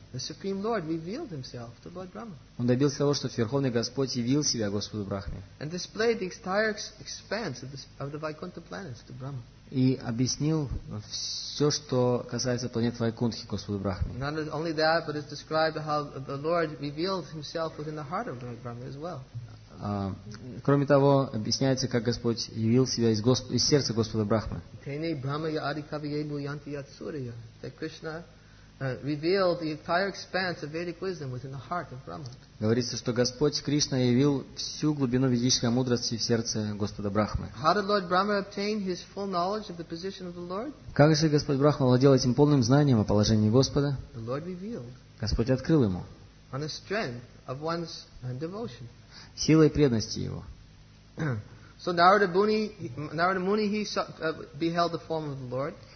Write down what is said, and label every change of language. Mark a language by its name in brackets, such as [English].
[English] the Supreme Lord revealed himself to Lord Brahma. [Russian] Он добился того, что Верховный Господь явил себя Господу Брахме. [English] And displayed the entire expanse of the Vaikuntha planets to Brahma. [Russian] и объяснил все, что касается планет Вайкунтхи Господу Брахме. [English] Not only that, but it's described how the Lord revealed Himself within the heart of Lord Brahma as well. [Russian] Кроме того, объясняется, как Господь явил себя из сердца Господа Брахмы. [Sanskrit] Tene Brahma yadi kaviyebu yanti yatsurya. [English] That Krishna revealed the entire expanse of Vedic wisdom within the heart of Brahma. [Russian] Говорится, что Господь Кришна явил всю глубину ведической мудрости в сердце Господа Брахмы. [English] How did Lord Brahma obtain his full knowledge of the position of the Lord? [Russian] Как же Господь Брахма владел этим полным знанием о положении Господа? [English] The Lord revealed. [Russian] Господь открыл ему. [English] On the strength of one's devotion. [Russian] Силой преданности его. [English] So Narada Muni he beheld the form of the Lord.